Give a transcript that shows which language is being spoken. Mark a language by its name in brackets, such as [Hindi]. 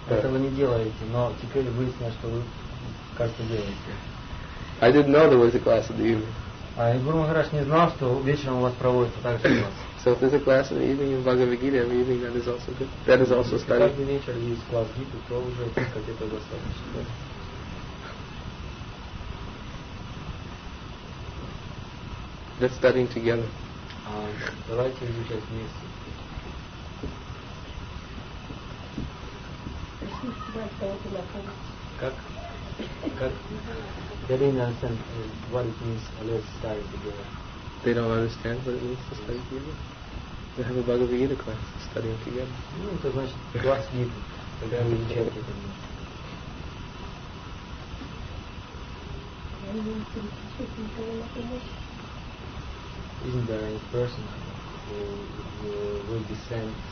[Russian] Этого не делаете, но теперь выяснилось, что вы как-то делаете. [English] I didn't know there was a class in the evening. [Russian] А Гуру Махарадж не знал, что вечером у вас проводится так же у нас. [English] So if there's a class in the evening in Bhagavad Gita, every evening that is also good. That is also study. [Russian] Каждый вечер есть класс Гиты, то уже как это достаточно. [English] Let's study together. [Russian] Давайте изучать вместе. Как? [English] They don't understand what it means to study together. They don't understand what it means to study together? They have a Bhagavad Gita class studying together. [Russian] Ну, это значит, класс Гиты, когда вы изучаете это вместе. [English] Isn't there any person who will be sent